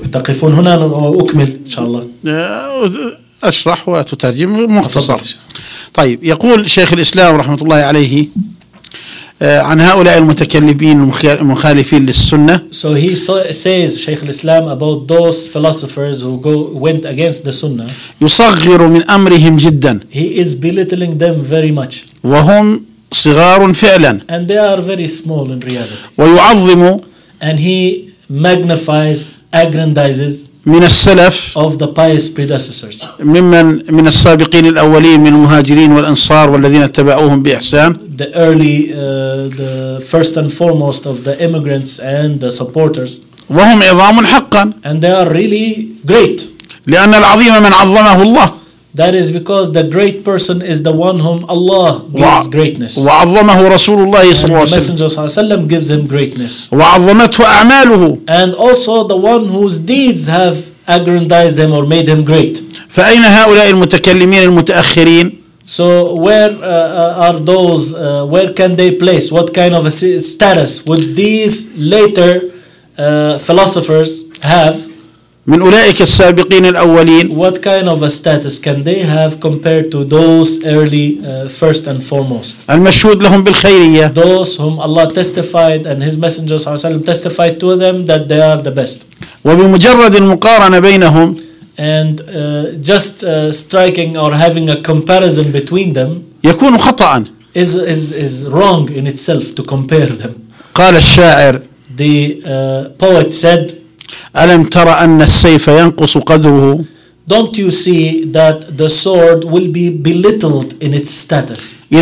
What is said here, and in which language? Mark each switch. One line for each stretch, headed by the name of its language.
Arabic: تقفون هنا وأكمل إن شاء الله. أشرح وتترجم مختصر. طيب يقول شيخ الإسلام رحمة الله عليه عن هؤلاء المتكلمين المخالفين للسنة.
English: So he says شيخ الإسلام about those philosophers who went against the Sunnah.
Arabic: يصغر من أمرهم جدا.
English: He is belittling them very much.
Arabic: وهم صغار فعلا.
English: And they are very small in reality.
Arabic: ويعظم
English: and he magnifies, aggrandizes
Arabic: من السلف
English: of the pious predecessors
Arabic: ممن من السابقين الأولين من المهاجرين والأنصار والذين اتبعوهم بإحسان
English: the early the first and foremost of the immigrants and the supporters
Arabic: وهم عظام حقا
English: and they are really great
Arabic: لأن العظيم من عظمه الله
English: that is because the great person is the one whom Allah gives greatness
Arabic: وعظمه رسول الله صلى الله عليه وسلم
English: the messenger
Arabic: صلى الله عليه وسلم
English: gives him greatness
Arabic: وعظمته أعماله
English: and also the one whose deeds have aggrandized him or made him great
Arabic: فأين هؤلاء المتكلمين المتأخرين
English: So where are those where can they place what kind of a status would these later philosophers have
Arabic: من أولئك السابقين الأولين
English: what kind of a status can they have compared to those early first and foremost
Arabic: المشهود لهم بالخيرية
English: those whom Allah testified and his messenger
Arabic: صلى الله عليه وسلم
English: testified to them that they are the best
Arabic: وبمجرد المقارنة بينهم
English: and just striking or having a comparison between them
Arabic: يكون خطأ
English: is wrong in itself to compare them
Arabic: قال الشاعر
English: the poet said
Arabic: ألم ترى أن السيف ينقص قدره
English: don't you see that the sword will be belittled in its status